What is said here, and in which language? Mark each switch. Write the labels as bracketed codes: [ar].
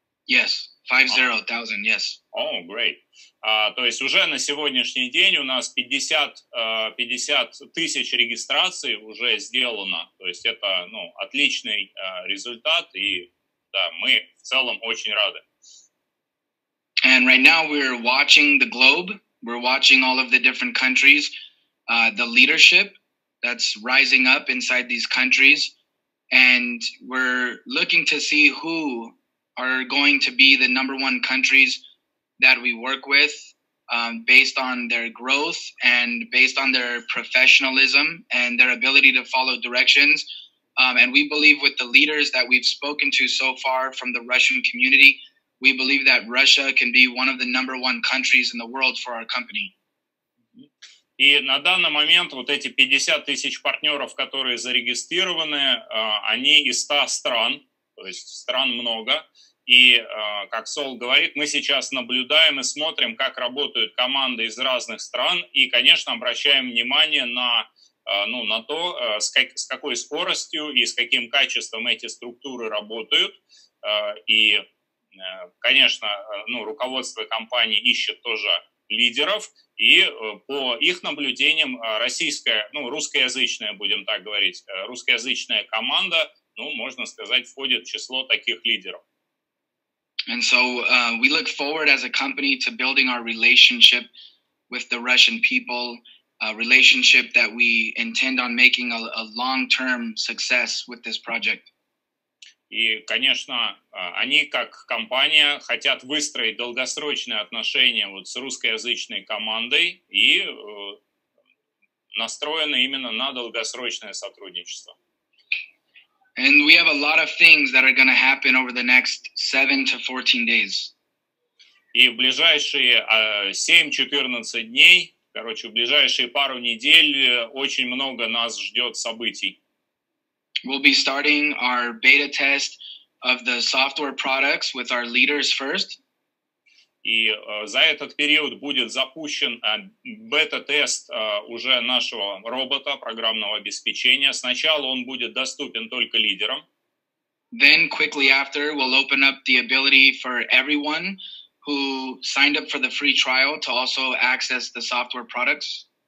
[en] Yes, 50,000, yes. Oh, great. [ru] То есть уже на сегодняшний день у нас 50 тысяч регистраций уже сделано. То есть это, ну, отличный результат, и да, мы в целом очень рады. [en] And right now we're watching the globe, we're watching all of the different countries, the leadership that's rising up inside these countries, and we're looking to see who are going to be the number one countries that we work with, based on their growth and based on their professionalism and their ability to follow directions. And we believe with the leaders that we've spoken to so far from the Russian community, we believe that Russia can be one of the number one countries in the world for our company. [ru] И на данный момент вот эти 50 тысяч партнеров, которые зарегистрированы, они из 100 стран, то есть стран много. И, как Сол говорит, мы сейчас наблюдаем и смотрим, как работают команды из разных стран. И, конечно, обращаем внимание на то, с какой скоростью и с каким качеством эти структуры работают. И, конечно, руководство компании ищет тоже лидеров. И по их наблюдениям российская, русскоязычная, будем так говорить, русскоязычная команда, можно сказать, входит в число таких лидеров. [en] And so we look forward as a company to building our relationship with the Russian people, a relationship that we intend on making a long-term success with this project. [ru] И, конечно, они как компания хотят выстроить долгосрочные отношения с русскоязычной командой и настроены именно на долгосрочное сотрудничество. [en] And we have a lot of things that are going to happen over the next 7 to 14 days. [ru] И в ближайшие 7-14 дней, в ближайшие пару недель очень много нас ждет событий. [en] We'll be starting our beta test of the software products with our leaders first. [ru] И за этот период будет запущен бета-тест уже нашего робота программного обеспечения. Сначала он будет доступен только лидерам. [en] Then quickly after, we'll open up the ability for everyone who signed up for the free trial to also access the software products.